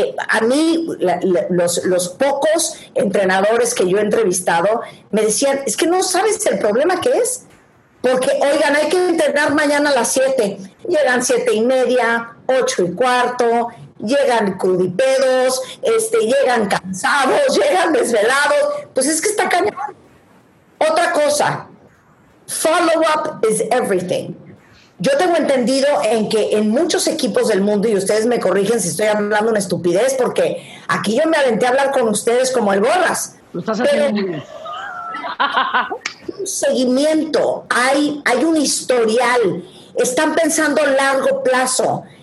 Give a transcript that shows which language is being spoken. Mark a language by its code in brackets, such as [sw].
[es] A mí, los pocos entrenadores que yo he entrevistado me decían, es que no sabes el problema que es, porque oigan, hay que entrenar mañana a las 7, llegan 7:30, 8:15, llegan crudipedos, llegan cansados, llegan desvelados, pues es que está cañón. Otra cosa, [en] follow up is everything. [es] Yo tengo entendido en que en muchos equipos del mundo, y ustedes me corrigen si estoy hablando una estupidez, porque aquí yo me aventé a hablar con ustedes como el Borras. Lo estás haciendo bien. Seguimiento, hay un historial, están pensando a largo plazo.